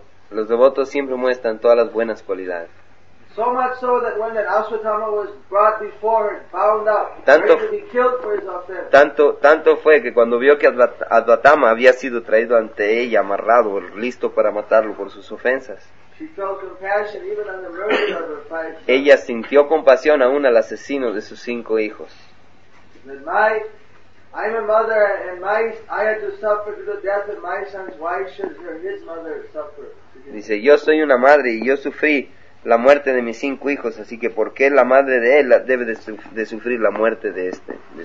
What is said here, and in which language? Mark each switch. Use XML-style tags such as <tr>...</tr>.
<es>Los devotos siempre muestran todas las buenas cualidades.</es> <en>So much so that when that Aswatthama was brought before her, bound up, tanto, ready to be killed for his offense.</en> <es>Tanto fue que cuando vio que Aswatthama había sido traído ante ella, amarrado, listo para matarlo por sus ofensas.</es> <en>She felt compassion even on the murder of her five sons.</en> <es>Ella sintió compasión aún al asesino de sus 5 hijos.</es> <en>I'm a mother and I had to suffer to the death of my sons. Why should his mother suffer?</en> <es>Dice, yo soy una madre y yo sufrí la muerte de mis 5 hijos, así que ¿por qué la madre de él debe de sufrir la muerte de este?</es>